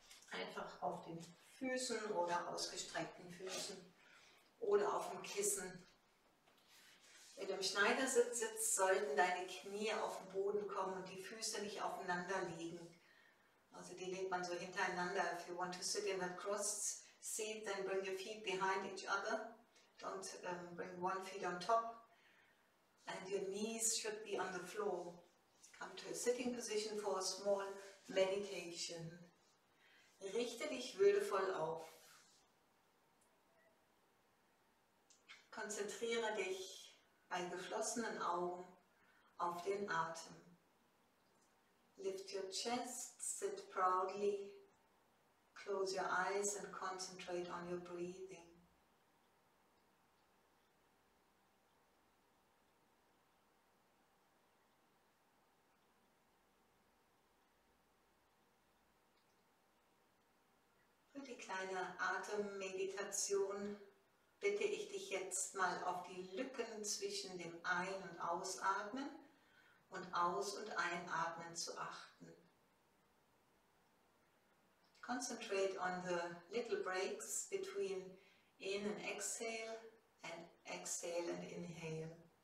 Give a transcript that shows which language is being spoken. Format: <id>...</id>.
<de>einfach auf den Füßen oder ausgestreckten Füßen oder auf dem Kissen. Wenn du im Schneidersitz sitzt, sollten deine Knie auf den Boden kommen und die Füße nicht aufeinander liegen. Also die legt man so hintereinander.</de> <en>If you want to sit in a crossed seat, then bring your feet behind each other. Don't bring one feet on top. And your knees should be on the floor. Come to a sitting position for a small meditation.</en> <de>Richte dich würdevoll auf. Konzentriere dich bei geschlossenen Augen auf den Atem.</de> <en>Lift your chest, sit proudly, close your eyes and concentrate on your breathing.</en> <de>Für die kleine Atemmeditation bitte ich dich jetzt mal auf die Lücken zwischen dem Ein- und Ausatmen und Aus- und Einatmen zu achten.</de> <en>Concentrate on the little breaks between in and exhale and inhale.</en>